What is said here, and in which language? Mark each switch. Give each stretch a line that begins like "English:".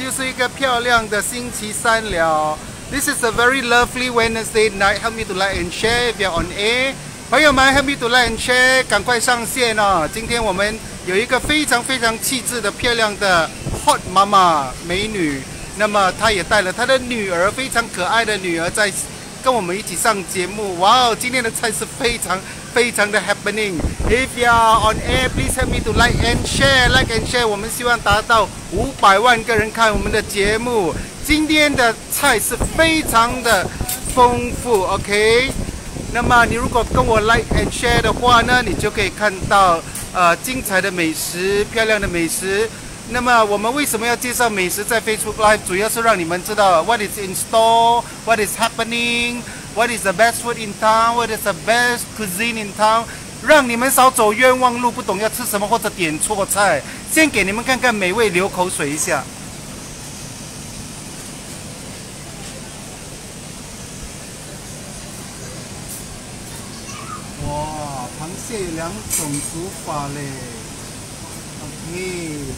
Chinese: 又是一个漂亮的星期三了。
English: This is a very lovely Wednesday night. Help me to like and share if you're on air.
Chinese: 朋友们 help me to like and share, 赶快上线哦。今天我们有一个非常非常气质的漂亮的 hot 妈妈美女，那么她也带了她的女儿，非常可爱的女儿在跟我们一起上节目。哇哦，今天的菜是非常非常的 happening。 If you are on air, please help me to like and share, like and share. 我们希望达到500万个人看我们的节目。今天的菜是非常的丰富 ，OK。那么你如果跟我 like and share 的话呢，你就可以看到精彩的美食，漂亮的美食。那么我们为什么要介绍美食在 Facebook Live？
English: 主要是让你们知道 what is in store, what is happening, what is the best food in town, what is the best cuisine in town。
Chinese: 让你们少走冤枉路，不懂要吃什么或者点错菜。先给你们看看美味，流口水一下。哇，螃蟹两种煮法嘞。OK。